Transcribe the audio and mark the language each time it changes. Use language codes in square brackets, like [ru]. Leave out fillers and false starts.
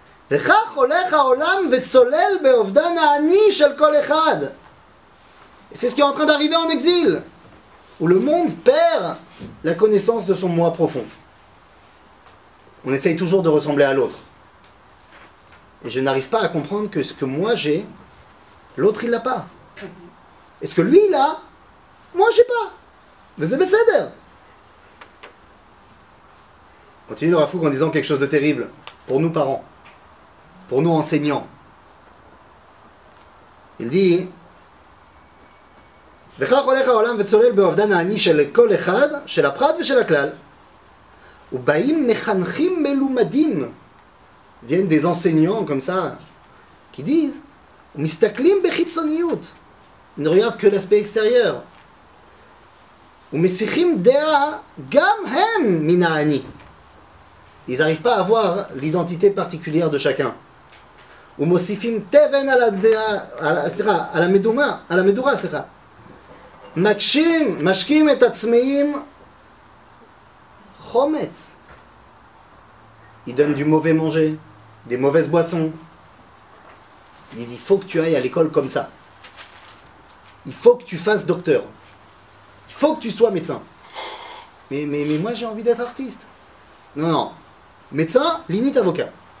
[he] וכך הולך העולם וצולל באובדן העני של כל אחד. [fr] C'est ce qui est en train d'arriver en exil, où le monde perd la connaissance de son moi profond. On essaye toujours de ressembler à l'autre. Et je n'arrive pas à comprendre que ce que moi j'ai, l'autre il l'a pas. Et ce que lui il a, moi j'ai pas. Mais c'est bécédère. Continue le Rafouk en disant quelque chose de terrible pour nous parents, pour nous enseignants. Il dit... [he] וכך הולך העולם וצולל באובדן העני של כל אחד, של הפרט ושל הכלל. ובאים מחנכים מלומדים, [fr] viennent des enseignants comme ça, qui disent, [he] ומסתכלים בחיצוניות, [fr] ne regarde que l'aspect extérieur, [he] ומסיחים דעה גם הם מן העני. [fr] Ils n'arrivent pas à voir l'identité particulière de chacun. [he] ומוסיפים תבן על הדעה, על המדומה, על המדורה, סליחה. מקשים, משקים את עצמאים חומץ. [fr] Ils donnent du mauvais manger, des mauvaises boissons. Ils disent, il faut que tu ailles à l'école comme ça. Il faut que tu fasses docteur. Il faut que tu sois médecin. Mais moi j'ai envie d'être artiste. Non, non. Médecin, limite avocat.